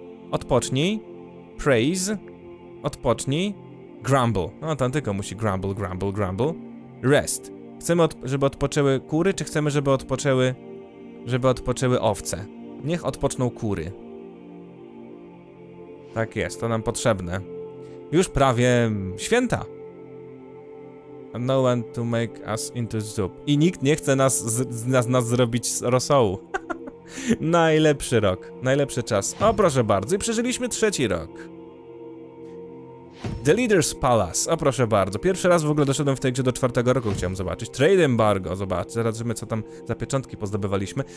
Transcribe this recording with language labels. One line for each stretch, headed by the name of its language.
Polish: Odpocznij. Praise. Odpocznij. Grumble. No tam tylko musi grumble. Rest. Chcemy, żeby odpoczęły kury, czy chcemy, żeby odpoczęły owce? Niech odpoczną kury. Tak jest, to nam potrzebne. Już prawie święta.
English: No one to make us into soup.
Polish: I nikt nie chce nas zrobić z rosołu. Najlepszy rok, najlepszy czas. O, proszę bardzo, i przeżyliśmy trzeci rok. The Leader's Palace, o proszę bardzo. Pierwszy raz w ogóle doszedłem w tej grze do czwartego roku, chciałem zobaczyć. Trade Embargo, zobacz, zobaczymy co tam za pieczątki pozdobywaliśmy.